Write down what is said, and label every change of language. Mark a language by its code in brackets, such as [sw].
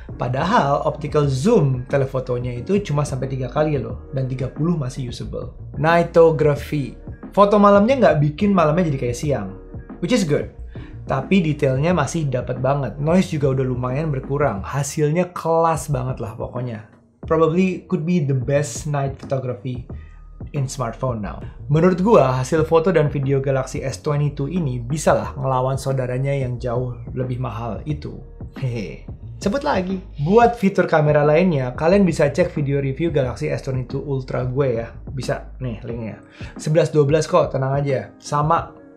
[id] Padahal optical zoom telefotonya itu cuma sampai 3 kali loh, dan 30 masih usable. Nightography. Foto malamnya nggak bikin malamnya jadi kayak siang. [en] Which is good, [id] tapi detailnya masih dapat banget. Noise juga udah lumayan berkurang. Hasilnya kelas banget lah pokoknya. [en] Probably could be the best night photography in smartphone now. [id] Menurut gua, hasil foto dan video Galaxy S22 ini bisa lah ngelawan saudaranya yang jauh lebih mahal itu. Hehe. Sebut lagi. Buat fitur kamera lainnya, kalian bisa cek video review Galaxy S22 Ultra gue ya. Bisa nih linknya. 11-12 kok, tenang aja. Sama.